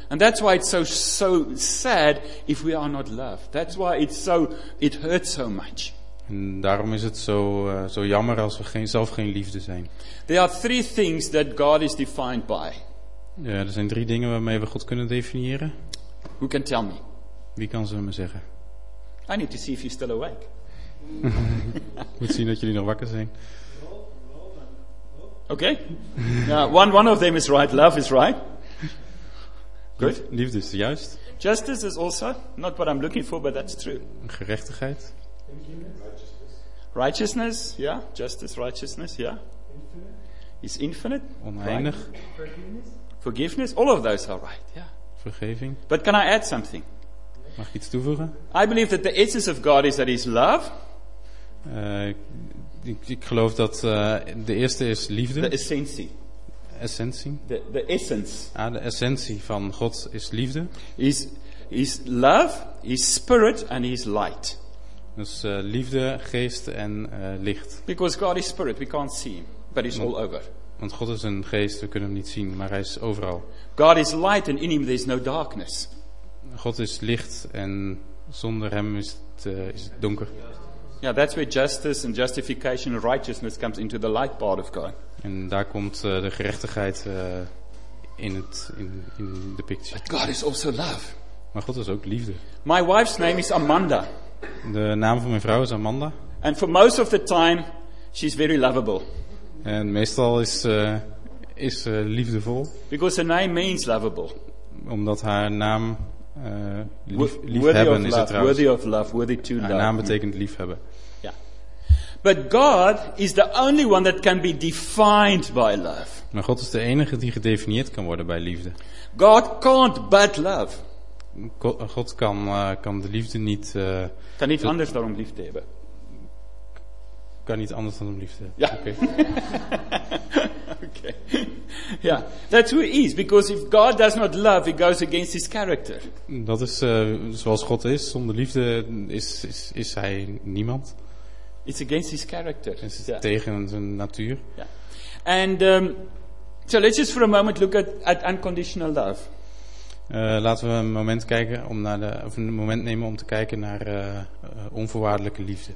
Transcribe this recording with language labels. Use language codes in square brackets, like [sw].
[en] And that's why it's so sad if we are not loved. That's why it hurts so much. [nl] En daarom is het zo jammer als we zelf geen liefde zijn. [en] There are three things that God is defined by. [nl] Ja, er zijn drie dingen waarmee we God kunnen definiëren. [en] Who can tell me? [nl] Wie kan ze me zeggen? [en] I need to see if you're still awake. Ik [nl] moet zien dat jullie nog wakker zijn. [en] Oké. Okay. One of them is right. Love is right. Good. [nl] Liefde is juist. [en] Justice is also not what I'm looking for, but that's true. [nl] Gerechtigheid. [en] Righteousness, yeah. Justice, righteousness, yeah. Infinite. Is infinite. [nl] Oneindig. [en] Forgiveness, all of those are right. Yeah. [nl] Vergeving. [en] But can I add something? [nl] Mag ik iets toevoegen? [en] I believe that the essence of God is that He's love. [nl] Ik geloof dat de eerste is liefde. [en] The essentie. [nl] Essentie. [en] The essence. [nl] Ah, de essentie van God is liefde. [en] Is love, His spirit and His light. [nl] Dus liefde, geest en licht. [en] Because God is spirit, we can't see Him, but He's all over. [nl] Want God is een geest, we kunnen hem niet zien, maar hij is overal. [en] God is light and in him there is no darkness. [nl] God is licht en zonder hem is het donker. [en] Yeah, that's where justice and justification and righteousness comes into the light part of God. [nl] En daar komt de gerechtigheid in de picture. [en] But God is also love. [nl] Maar God is ook liefde. [en] My wife's name is Amanda. [nl] De naam van mijn vrouw is Amanda. [en] And for most of the time she's very lovable. [nl] En meestal is liefdevol. [en] Because her name means lovable. [nl] Omdat haar naam liefhebben is het trouwens. [en] Worthy of love, worthy to love. [nl] Haar naam betekent liefhebben. [en] Yeah. But God is the only one that can be defined by love. [nl] Maar God is de enige die gedefinieerd kan worden bij liefde. [en] God can't but love. [nl] God kan de liefde niet. Kan niet anders dan om liefde hebben. Kan niet anders dan om liefde. [en] Ja. Oké. Ja, that's who he is. Because if God does not love, he goes against his character. [nl] Dat is zoals God is. Zonder liefde is hij niemand. [en] It's against his character. [nl] Het is tegen zijn natuur. [en] Ja. Yeah. And so let's just for a moment look at unconditional love. [nl] Laten we een moment nemen om te kijken naar onvoorwaardelijke liefde.